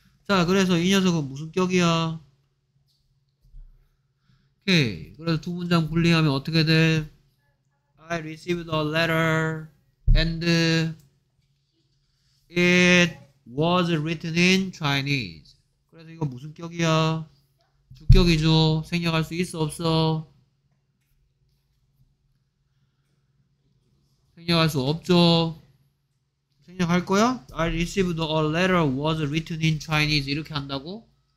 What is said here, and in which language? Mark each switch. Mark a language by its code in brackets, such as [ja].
[ko] 자, 그래서 이 녀석은 무슨 격이야? 오케이. 그래서 두 문장 분리하면 어떻게 돼? [en] I received a letter and it was written in Chinese. [ko] 그래서 이거 무슨 격이야? 주격이죠. 생략할 수 있어 없어? 생략할 수 없죠. 생략할 거야? [en] I received a letter was written in Chinese. [ko] 이렇게 한다고?